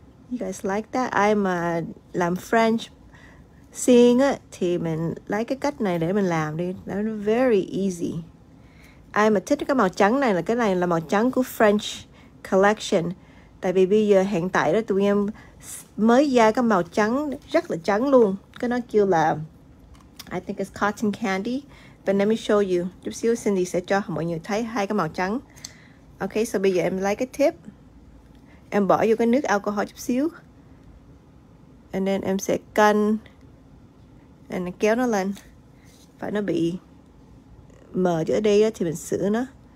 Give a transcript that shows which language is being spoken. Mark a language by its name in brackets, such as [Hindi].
[English] You guys like that? [Vietnamese] Ai mà làm French seeing á, thì mình lấy cái cách này để mình làm đi. [English] That's very easy. [Vietnamese] Ai mà thích cái màu trắng này, là cái này là màu trắng của French collection. Tại vì bây giờ hiện tại đó tụi em mới ra cái màu trắng, rất là trắng luôn. Cái nó kêu là, [English] I think it's cotton candy. But let me show you. [Vietnamese] Chút xíu Cindy sẽ cho mọi người thấy hai cái màu trắng. Ok, so bây giờ em lấy cái tip. Em bỏ vô cái nước alcohol chút xíu. And then em sẽ cân. And then kéo nó lên. Phải nó bị mờ chỗ đây đó, thì mình sửa nó.